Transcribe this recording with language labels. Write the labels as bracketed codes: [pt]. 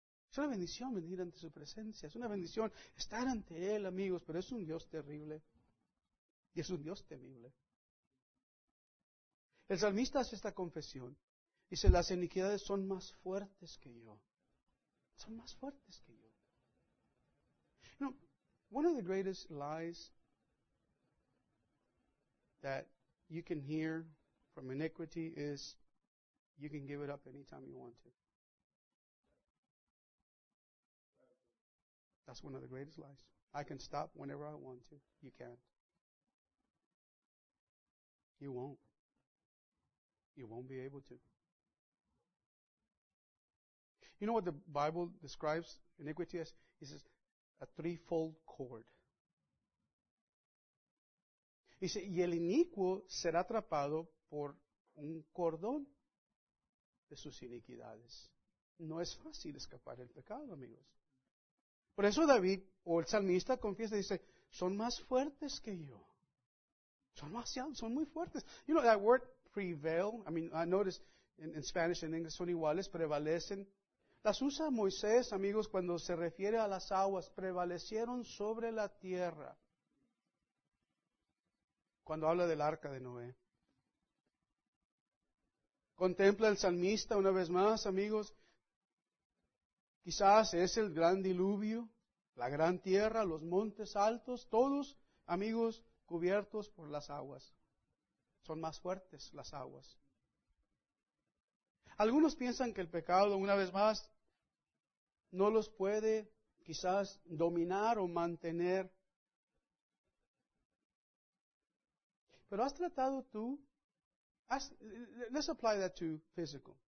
[es] Es una bendición venir ante su presencia, es una bendición estar ante Él, amigos, pero es un Dios terrible y es un Dios temible. El salmista hace esta confesión, dice, las iniquidades son más fuertes que yo, son más fuertes que yo. [en] You know, one of the greatest lies that you can hear from iniquity is you can give it up anytime you want to. That's one of the greatest lies. I can stop whenever I want to. You can't. You won't. You won't be able to. You know what the Bible describes iniquity as? It says a threefold cord. [es] Dice, y el inicuo será atrapado por un cordón de sus iniquidades. No es fácil escapar del pecado, amigos. Por eso David, o el salmista, confiesa y dice, son más fuertes que yo. Son demasiado, son muy fuertes. [en] You know that word prevail, I mean, I notice in Spanish and English [es] son iguales, prevalecen. Las usa Moisés, amigos, cuando se refiere a las aguas, prevalecieron sobre la tierra. Cuando habla del arca de Noé. Contempla el salmista una vez más, amigos. Quizás es el gran diluvio, la gran tierra, los montes altos, todos, amigos, cubiertos por las aguas. Son más fuertes las aguas. Algunos piensan que el pecado, una vez más, no los puede quizás dominar o mantener. Pero has tratado tú, [en] let's apply that to physical.